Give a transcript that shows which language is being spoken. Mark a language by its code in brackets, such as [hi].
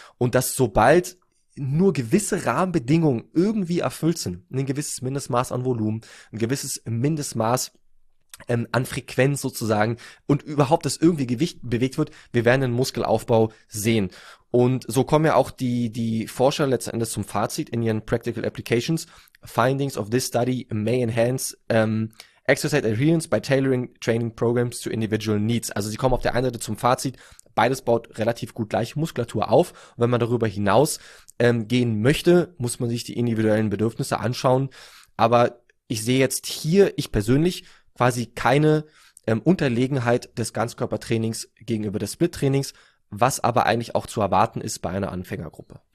[de] Und dass sobald nur gewisse Rahmenbedingungen irgendwie erfüllt sind, ein gewisses Mindestmaß an Volumen, ein gewisses Mindestmaß an Frequenz sozusagen und überhaupt, dass irgendwie Gewicht bewegt wird, wir werden den Muskelaufbau sehen. Und so kommen ja auch die Forscher letzten Endes zum Fazit in ihren Practical Applications. [en] Findings of this study may enhance exercise adherence by tailoring training programs to individual needs. [de] Also sie kommen auf der einen Seite zum Fazit, beides baut relativ gut gleiche Muskulatur auf. Und wenn man darüber hinaus gehen möchte, muss man sich die individuellen Bedürfnisse anschauen. Aber ich sehe jetzt hier, ich persönlich, quasi keine Unterlegenheit des Ganzkörpertrainings gegenüber des Split-Trainings, was aber eigentlich auch zu erwarten ist bei einer Anfängergruppe.